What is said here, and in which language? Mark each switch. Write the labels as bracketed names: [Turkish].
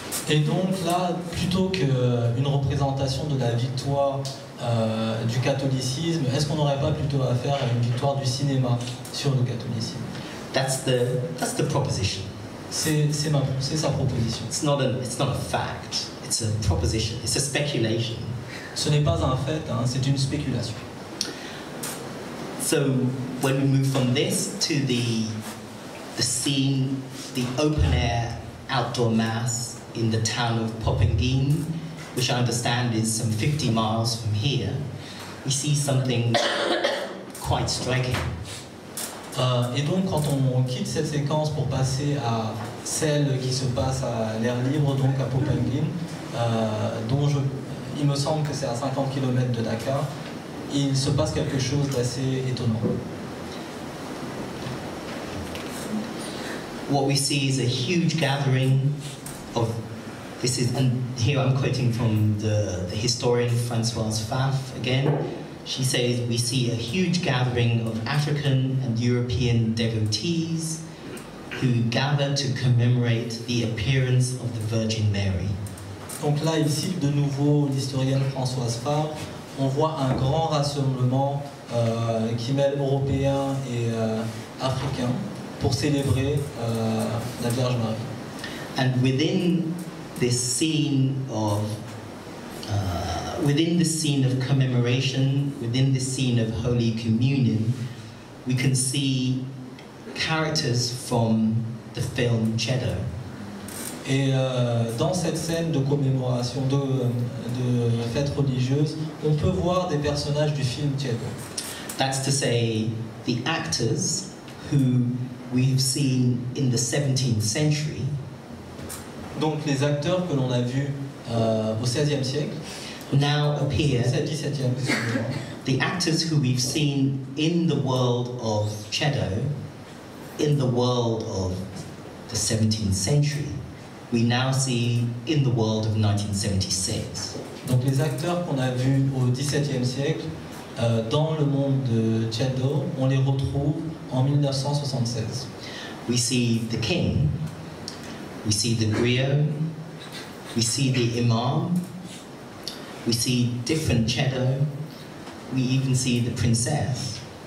[French] Et donc là, plutôt qu'une représentation de la victoire du catholicisme, est-ce qu'on n'aurait pas plutôt affaire à une victoire du cinéma sur le catholicisme? [English] That's the proposition. [French] C'est sa proposition. [English] It's not a fact. It's a proposition. It's a speculation. [French] Ce n'est pas un fait, hein, c'est une spéculation. [English] So when we move from this to the scene, the open air outdoor mass in the town of Popengin, which I understand is some 50 miles from here, we see something quite striking. [French] Et donc quand on quitte cette séquence pour passer à celle qui se passe à l'air libre, donc à Popengin, il me semble que c'est à 50 km de Dakar, il se passe quelque chose d'assez étonnant. [English] What we see is a huge gathering of, this is, and here I'm quoting from the historian Françoise Pfaff again. She says, we see a huge gathering of African and European devotees who gather to commemorate the appearance of the Virgin Mary. [French] Donc là, ici, de nouveau, l'historienne Françoise Pfaff, on voit un grand rassemblement qui mêle Européens et Africains pour célébrer la Vierge Marie. [English] And within this scene of within the scene of commemoration, within the scene of Holy Communion, we can see characters from the film Cheddo. [French] Et dans cette scène de commémoration, de fête religieuse, on peut voir des personnages du film Cheddo. [English] That's to say, the actors who we've seen in the 17th century. [French] Donc les acteurs que l'on a vus au 16e siècle. [English] Now appear, the actors who we've seen in the world of Cheddo, in the world of the 17th century, we now see in the world of 1976. [French] Donc les acteurs qu'on a vus au 17e siècle, dans le monde de Cheddo, on les retrouve en 1976. [English] We see the king, we see the griot, we see the imam, we see different Cheddo, we even see the princess.